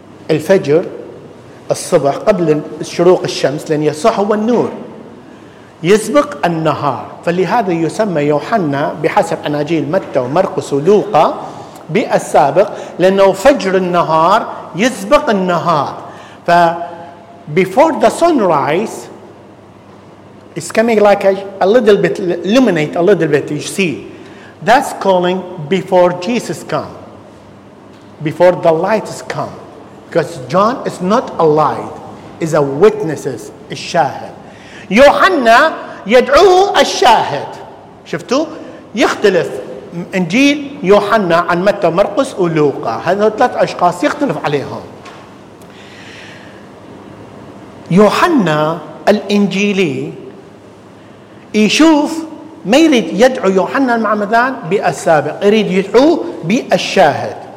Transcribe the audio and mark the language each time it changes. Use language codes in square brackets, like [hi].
[ar] الفجر الصبح قبل شروق الشمس، لأن يسوع هو النور يسبق النهار. فلهذا يسمى يوحنا بحسب أناجيل متى ومرقس ولوقا بالسابق، لأنه فجر النهار يسبق النهار. [en] ف before the sunrise is coming like a little bit illuminate a little bit you see that's calling before Jesus come before the light is come because John is not a light is a witnesses الشاهد. [ar] يوحنا يدعوه الشاهد. شفتوا يختلف انجيل يوحنا عن متى مرقس ولوقا، هذا 3 اشخاص يختلف عليهم. يوحنا الإنجيلي يشوف ما يريد يدعو يوحنا المعمدان بالسابق، يريد يدعوه بالشاهد.